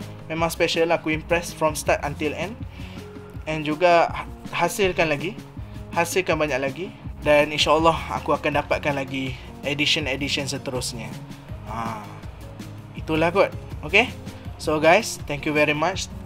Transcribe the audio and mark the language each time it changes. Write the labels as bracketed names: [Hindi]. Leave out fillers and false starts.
[Malay] Memang special, aku [English] impressed from start until end. [Malay] And juga hasilkan banyak lagi. Dan insyaAllah aku akan dapatkan lagi edition-edition seterusnya. Itulah kot. [English] Okay, so guys, thank you very much.